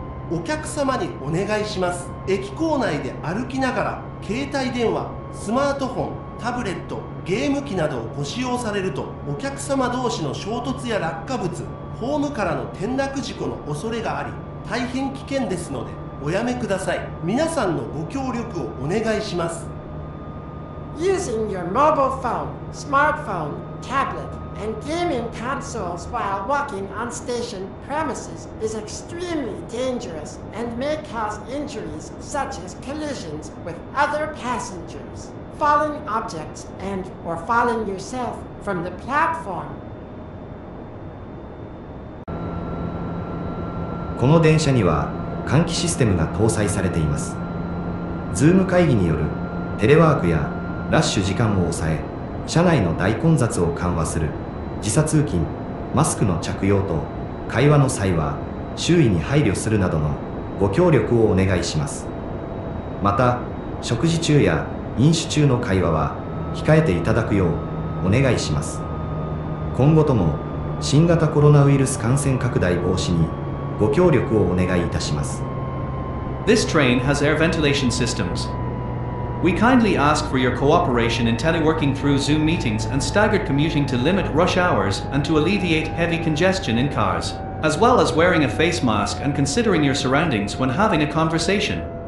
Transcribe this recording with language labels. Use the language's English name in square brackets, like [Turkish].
[Japanese] お客様にお願いします。駅構内で歩きながら、携帯電話、スマートフォン、タブレット、ゲーム機などをご使用されると、お客様同士の衝突や落下物、ホームからの転落事故の恐れがあり、大変危険ですので、おやめください。皆さんのご協力をお願いします。 [English] Using your mobile phone, smartphone, tablet, and gaming consoles while walking on station premises is extremely dangerous and may cause injuries such as collisions with other passengers, falling objects, and or falling yourself from the platform. [Japanese] この電車には換気システムが搭載されています。 Zoom会議によるテレワークやラッシュ時間を抑え、車内の大混雑を緩和する時差通勤、マスクの着用と会話の際は周囲に配慮するなどのご協力をお願いします。また食事中や飲酒中の会話は控えていただくようお願いします。今後とも新型コロナウイルス感染拡大防止にご協力をお願いいたします。 [English] This train has air ventilation systems. We kindly ask for your cooperation in teleworking through Zoom meetings and staggered commuting to limit rush hours and to alleviate heavy congestion in cars, as well as wearing a face mask and considering your surroundings when having a conversation.